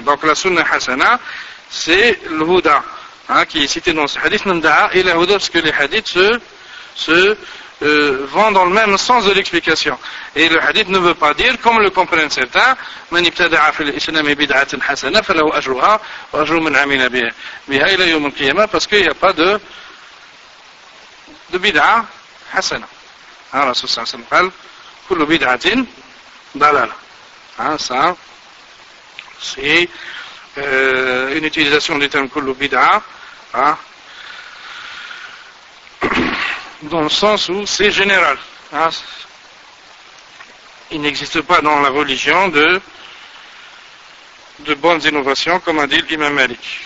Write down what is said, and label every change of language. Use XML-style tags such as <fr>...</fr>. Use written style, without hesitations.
<fr>Donc la sunna hasana c'est le huda, hein, qui est cité dans ce hadith, nanda ila huda, parce que les hadiths se vont dans le même sens de l'explication. Et le hadith ne veut pas dire, comme le comprennent certains,</fr> <ar>من ابتدع في الإسلام بدعة حسنة فله أجرها وأجر من عمل بها إلى يوم القيامة,</ar> <fr>parce qu'il n'y a pas de bid'a hasana.</fr> <ar>Hein, Rasul صلى الله عليه وسلم قال كل بدعة ضلالة.</ar> <fr>Ça, c'est une utilisation du terme</fr> <ar>كل بدعة,</ar> <fr>dans le sens où c'est général. Il n'existe pas dans la religion de bonnes innovations, comme a dit l'imam Malik.</fr>